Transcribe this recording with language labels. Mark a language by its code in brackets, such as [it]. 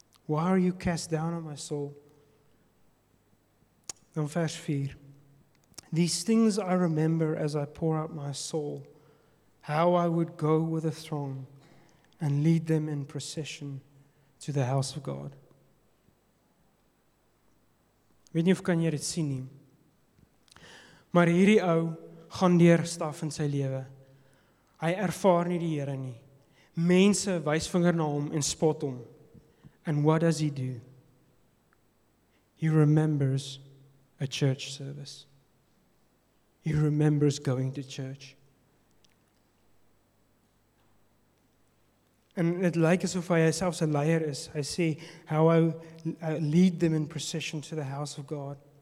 [en] Why are you cast down on my soul? [af] Dan vers 4. [en] These things I remember as I pour out my soul, how I would go with a throng and lead them in procession to the house of God. [af] Weet nie of kan jy dit sien nie. Maar hierdie ou gaan deur staf in sy lewe. Hy ervaar nie die Here nie. Mense wys vinger na hom en spot hom. [en] And what does he do? He remembers a church service. He remembers going to church. [af] En het lyk asof hy selfs 'n leier is. Hy sê, [en] how I lead them in procession to the house of God.